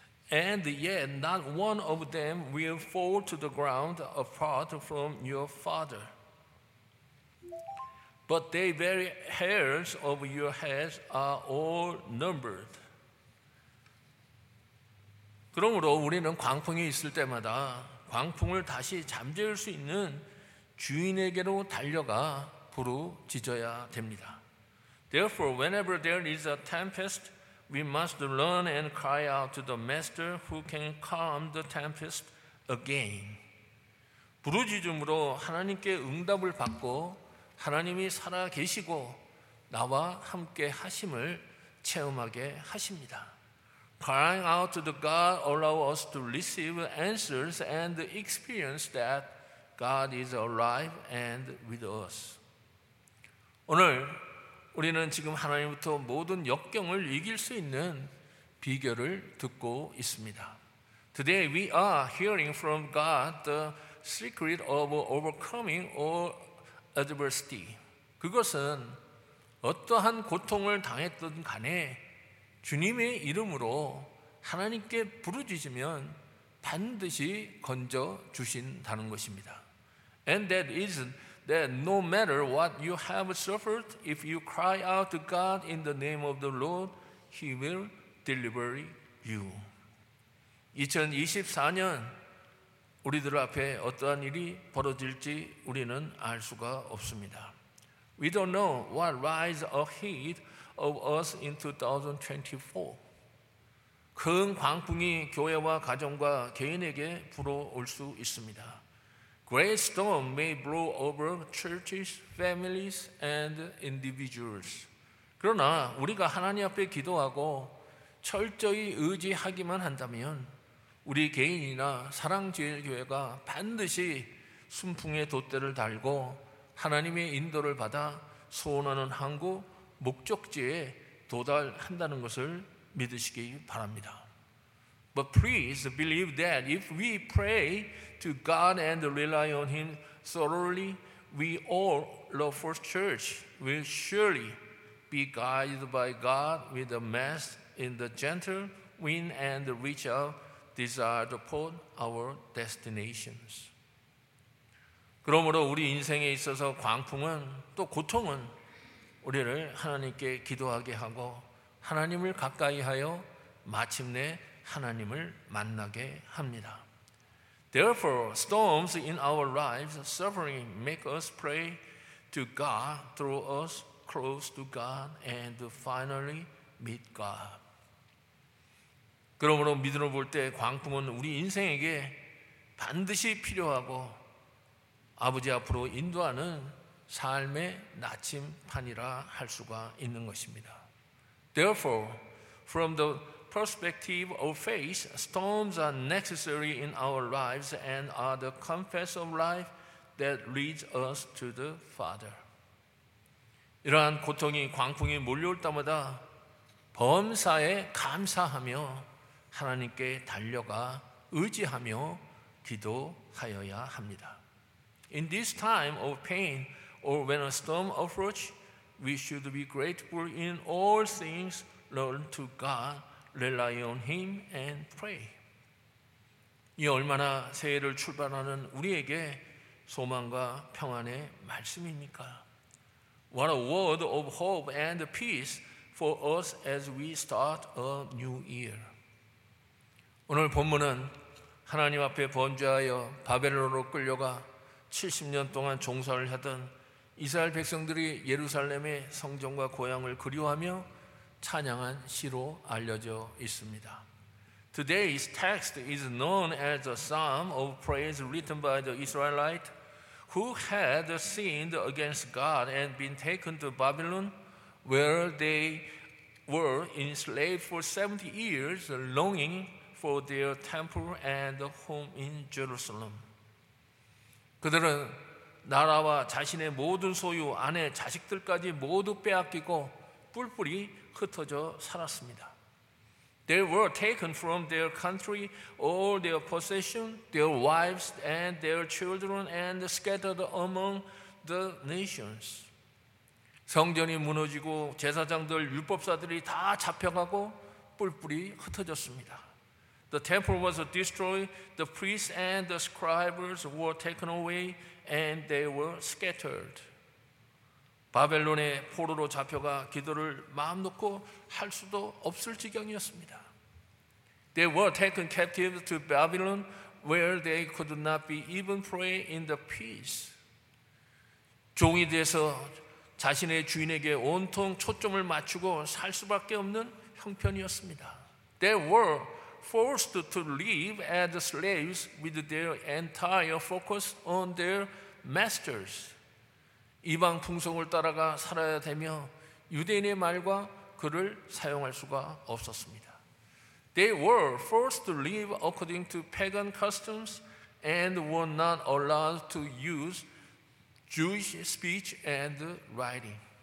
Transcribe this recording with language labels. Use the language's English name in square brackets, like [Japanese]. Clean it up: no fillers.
[English] And yet not one of them will fall to the ground apart from your father. But the very hairs of your heads are all numbered. [Korean] 그러므로 우리는 광풍이 있을 때마다 광풍을 다시 잠재울 수 있는 주인에게로 달려가 부르짖어야 됩니다. [English] Therefore, whenever there is a tempest, we must learn and cry out to the master who can calm the tempest again. [Korean] 부르짖음으로 하나님께 응답을 받고 하나님이 살아계시고 나와 함께 하심을 체험하게 하십니다. [English] Crying out to the God allow us to receive answers and experience that God is alive and with us. [Korean] 오늘 우리는 지금 하나님부터 모든 역경을 이길 수 있는 비결을 듣고 있습니다. [English] Today we are hearing from God the secret of overcoming all adversity. [Korean] 그것은 어떠한 고통을 당했든 간에 주님의 이름으로 하나님께 부르짖으면 반드시 건져 주신다는 것입니다. [English] And that is that no matter what you have suffered, if you cry out to God in the name of the Lord, He will deliver you. [Korean] 2024년 우리들 앞에 어떠한 일이 벌어질지 우리는 알 수가 없습니다. [English] We don't know what lies ahead of us in 2024. [Korean] 큰 광풍이 교회와 가정과 개인에게 불어올 수 있습니다. [English] Great storm may blow over churches, families, and individuals. [Korean] 그러나 우리가 하나님 앞에 기도하고 철저히 의지하기만 한다면 우리 개인이나 사랑제일교회가 반드시 순풍의 돛대를 달고 하나님의 인도를 받아 소원하는 항구, 목적지에 도달한다는 것을 믿으시기 바랍니다. [English] But please believe that if we pray to God and rely on Him thoroughly, we all, the First Church, will surely be guided by God with a mast in the gentle wind and reach out desired upon our destinations. [Korean] 그러므로 우리 인생에 있어서 광풍은 또 고통은 우리를 하나님께 기도하게 하고 하나님을 가까이 하여 마침내 하나님을 만나게 합니다. [English] Therefore, storms in our lives, suffering, make us pray to God, draw us close to God, and finally meet God. [Korean] 그러므로 믿음을 볼 때 광풍은 우리 인생에게 반드시 필요하고 아버지 앞으로 인도하는 삶의 나침판이라 할 수가 있는 것입니다. [English] Therefore, from the perspective of faith, storms are necessary in our lives and are the compass of life that leads us to the Father. [Korean] 이러한 고통이 광풍이 몰려올 때마다 범사에 감사하며 하나님께 달려가 의지하며 기도하여야 합니다. [English] In this time of pain, or when a storm approaches, we should be grateful in all things, learn to God, rely on Him, and pray. [Korean] 이 얼마나 새해를 출발하는 우리에게 소망과 평안의 말씀입니까? [English] What a word of hope and peace for us as we start a new year. [Korean] 오늘 본문은 하나님 앞에 범죄하여 바벨론으로 끌려가 70년 동안 종살이를 하던 이스라엘 백성들이 예루살렘의 성전과 고향을 그리워하며 찬양한 시로 알려져 있습니다. [English] Today's text is known as a psalm of praise written by the Israelite who had sinned against God and been taken to Babylon where they were enslaved for 70 years longing for their temple and home in Jerusalem. [Korean] 그들은 나라와 자신의 모든 소유, 아내, 자식들까지 모두 빼앗기고 뿔뿔이 흩어져 살았습니다. [English] They were taken from their country, all their possessions, their wives and their children and scattered among the nations. [Korean] 성전이 무너지고 제사장들, 율법사들이 다 잡혀가고 뿔뿔이 흩어졌습니다. [English] The temple was destroyed, the priests and the scribes were taken away and they were scattered. [Korean] 바벨론의 포로로 잡혀가 기도를 마음 놓고 할 수도 없을 지경이었습니다. [English] They were taken captive to Babylon where they could not be even pray in the peace. [Korean] 종이 돼서 자신의 주인에게 온통 초점을 맞추고 살 수밖에 없는 형편이었습니다. [English] They were forced to live as slaves with their entire focus on their masters. [Korean] 이방 풍속을 따라가 살아야 되며 유대인의 말과 글을 사용할 수가 없었습니다. [English] They were forced to live according to pagan customs and were not allowed to use Jewish speech and writing.